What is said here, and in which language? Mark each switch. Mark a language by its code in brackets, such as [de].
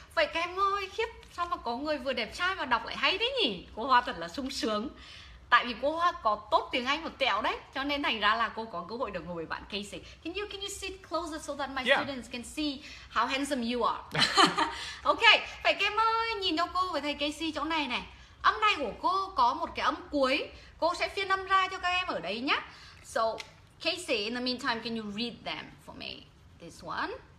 [vi] Vậy các em ơi, khiếp, sao mà có người vừa đẹp trai mà đọc lại hay thế nhỉ? Cô Hoa thật là sung sướng. Tại vì cô Hoa có tốt tiếng Anh một tẹo đấy, cho nên thành ra là cô có cơ hội được ngồi với bạn Kasey. [en] Can you sit closer so that my students can see how handsome you are? Okay. [vi] Vậy các em ơi, nhìn cho cô với thầy Kasey chỗ này này. Âm này của cô có một cái âm cuối. Cô sẽ phiên âm ra cho các em ở đây nhá. [en] So Kasey, in the meantime, can you read them for me? This one.